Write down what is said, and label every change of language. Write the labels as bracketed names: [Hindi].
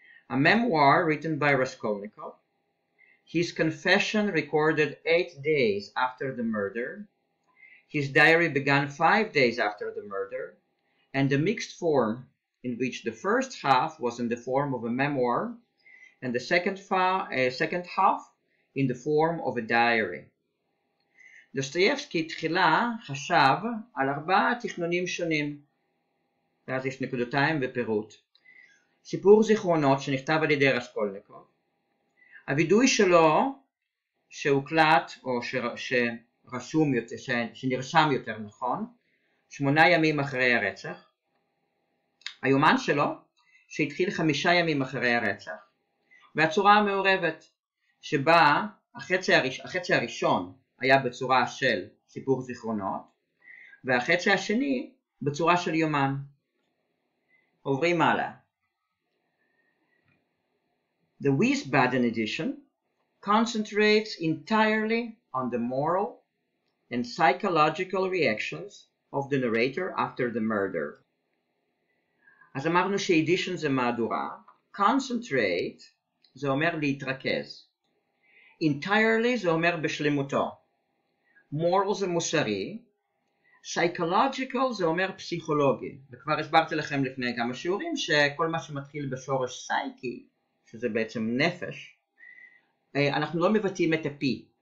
[English] A memoir written by Raskolnikov, his confession recorded 8 days after the murder, his diary began 5 days after the murder, and the mixed form in which the first half was in the form of a memoir and the second half in the form of a diary. [Hebrew] דוסטויבסקי תחילה חשב על ארבעה תכנונים שונים. ואז יש נקודותיים ופירוט. סיפור זיכרונות שנכתב על ידי רסקולניקוב. הווידוי שלו שהוקלט או שרשום יותר, שנרשם יותר נכון, 8 ימים אחרי הרצח. היומן שלו שהתחיל 5 ימים אחרי הרצח. והצורה המעורבת שבה החצי הראשון היה בצורה של סיפור זיכרונות, והחצי השני בצורה של יומן. עוברים הלאה. [English] The Wiesbaden edition concentrates entirely on the moral and psychological reactions of the narrator after the murder. [Hebrew] אז אמרנו שאדישן זה מהדורה. Concentrate זה אומר להתרכז. Entirely זה אומר בשלמותו. Moral זה מוסרי. Psychological זה אומר פסיכולוגי. וכבר הסברתי לכם לפני כמה שיעורים שכל מה שמתחיל בשורש psyche, שזה בעצם נפש, אנחנו לא מבטאים את הפי.